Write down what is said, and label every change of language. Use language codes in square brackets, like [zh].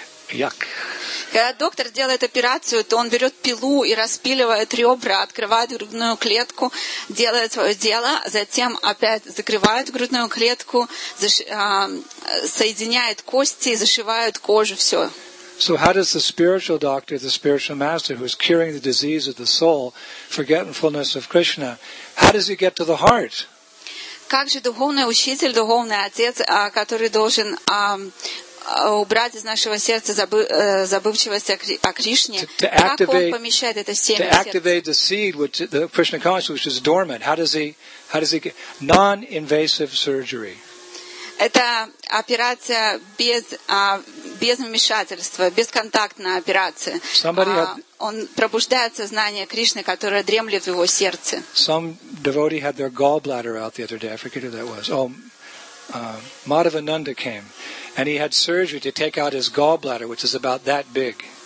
[en] Yuck. [ru] Когда доктор делает операцию, то он берет пилу и распиливает ребра, открывает грудную клетку, делает свое дело, затем опять закрывает грудную клетку, соединяет кости, зашивает кожу, все. [en] So how does the spiritual doctor, the spiritual master, who is curing the disease of the soul, forgetfulness of Krishna, how does he get to the heart? [ru] Как же духовный учитель, духовный отец, который должен убрать из нашего сердца забывчивость о Кришне. Как он помещает это семя в сердце? [en] To activate the seed, which the Krishna consciousness, which is dormant. How does he non-invasive surgery? [ru] Это операция без вмешательства, бесконтактная операция. Он пробуждает сознание Кришны, которое дремлет в его сердце. [en] Some devotee had their gallbladder out the other day. I forget who that was. Madhavananda came. And he had surgery to take out his gallbladder, which is about that big.